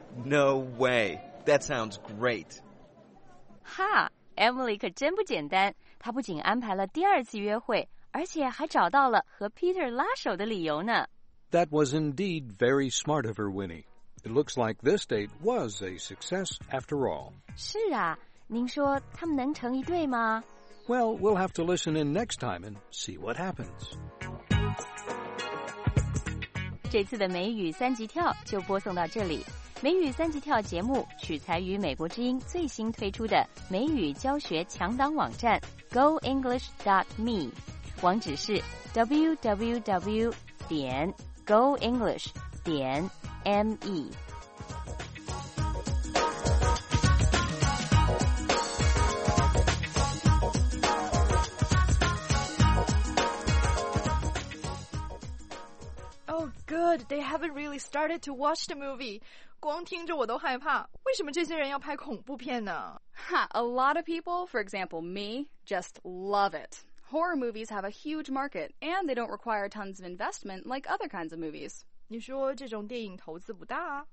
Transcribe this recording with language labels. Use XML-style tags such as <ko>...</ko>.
<en>No way! That sounds great!</en> <zh>Ha! Emily 可真不简单，她不仅安排了第二次约会，而且还找到了和 Peter 拉手的理由呢。</zh> <en>That was indeed very smart of her, Winnie. It looks like this date was a success after all.</en> <zh>是啊，您说他们能成一对吗？</zh> <en>Well, we'll have to listen in next time and see what happens.</en> <zh>这次的美语三级跳就播送到这里。美语三级跳节目取材于美国之音最新推出的美语教学强档网站 goenglish.me， 网址是 www.goenglish.me。</zh> <en>Good, they haven't really started to watch the movie.</en> <zh>光听着我都害怕，为什么这些人要拍恐怖片呢？</zh> <en>A lot of people, for example me, just love it. Horror movies have a huge market, and they don't require tons of investment like other kinds of movies.</en> <zh>你说这种电影投资不大？</zh>